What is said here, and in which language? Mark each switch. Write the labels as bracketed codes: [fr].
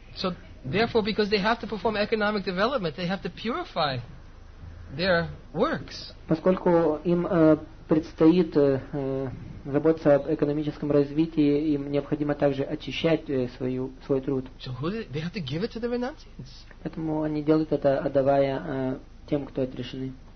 [en] So therefore, because they have to perform economic development, they have to purify. Their works. [ru] Поскольку им предстоит заботиться об экономическом развитии, им необходимо также очищать свой труд. [en] So who did they have to give it to the renunciants? [ru] Поэтому они делают это, отдавая тем, кто отрешены.